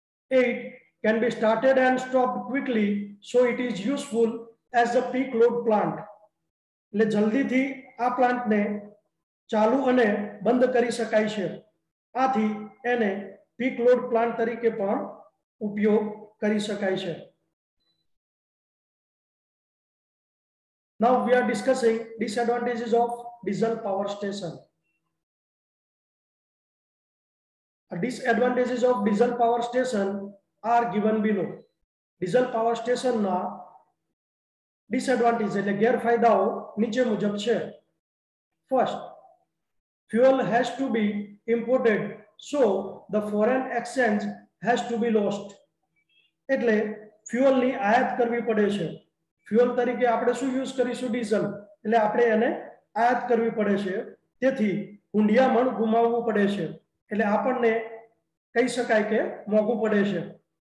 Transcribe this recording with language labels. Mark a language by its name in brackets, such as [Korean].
[English] 8, can be started and stop quickly, so it is useful as a peak load plant, [Gujarati] એટલે જલ્દીથી આ plant ને ચાલુ અને બંધ કરી શકાય છે. આથી એને પીક લોડ પ્લાન્ટ તરીકે પણ ઉપયોગ કરી શકાય છે. [English] Now we are discussing disadvantages of diesel power station. Disadvantages of diesel power station are given below. Diesel power station [Gujarati] na disadvantage એટલે ગેરફાયદાઓ નીચે મુજબ છે. [English] First, fuel has to be imported, so the foreign exchange has to be lost. [Gujarati] એટલે fuel ની આયાત કરવી પડે છે. Fuel તરીકે આપણે શું યુઝ કરીશું? ડીઝલ. એટલે આપણે એને આયાત કરવી પડે છે, તેથી હુંડિયામણ ગુમાવવું પડે છે. એટલે આપણને કહી શકાય કે મોંઘું પડે છે.